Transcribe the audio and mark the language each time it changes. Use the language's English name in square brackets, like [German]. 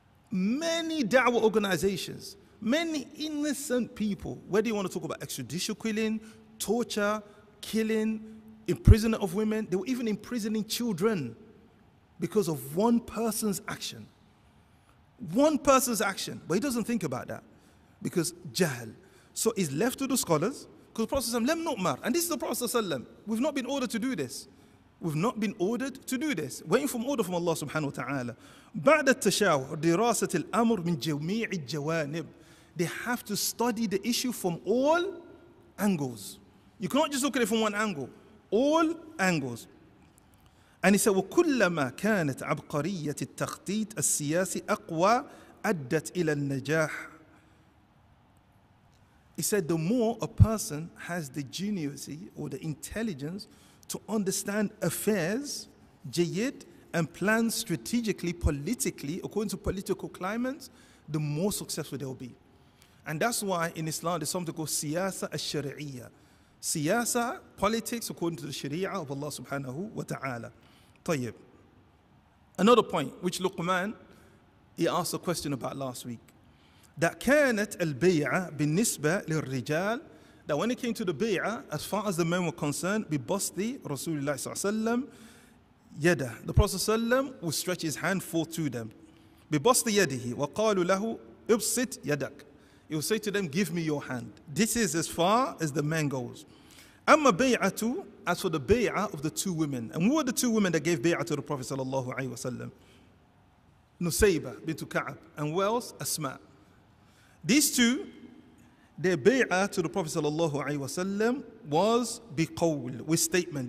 [English] Many da'wah organizations, many innocent people, whether you want to talk about extrajudicial killing, torture, killing, imprisonment of women, they were even imprisoning children because of one person's action. One person's action, but he doesn't think about that because jahl. So it's left to the scholars, because the Prophet ﷺ, lem nu'mar, and this is the Prophet ﷺ, we've not been ordered to do this. We've not been ordered to do this. Waiting for order from Allah subhanahu wa ta'ala. [Arabic] بعد التشاور دراسة الأمر من جميع الجوانب. [English] They have to study the issue from all angles. You cannot just look at it from one angle. All angles. And he said, [Arabic] وكلما كانت عبقرية التخطيط السياسي أقوى أدت إلى النجاح. [English] He said, the more a person has the genius or the intelligence to understand affairs, jayid, and plan strategically, politically, according to political climates, the more successful they'll be. And that's why in Islam there's something called siyasa al-shari'iyya. siyasa, politics, according to the sharia of Allah subhanahu wa ta'ala. Tayyib. Another point, which Luqman, he asked a question about last week. That كانت البيعة بالنسبة للرجال, that when it came to the bi'a, as far as the men were concerned, ببسطي رسول الله صلى الله عليه وسلم يده. The Prophet would stretch his hand forth to them. [Arabic] ببسطي يده وقالوا له ابسط يدك. [English] He would say to them, give me your hand. This is as far as the man goes. أما بيعة, as for the bi'a of the two women. And who were the two women that gave bi'a to the Prophet صلى الله عليه وسلم? [Arabic] نسيبة بنت كعب. And who else? أسماء. [English] These two, their bay'ah to the Prophet sallallahu alaihi wasallam was biqawl, with statement.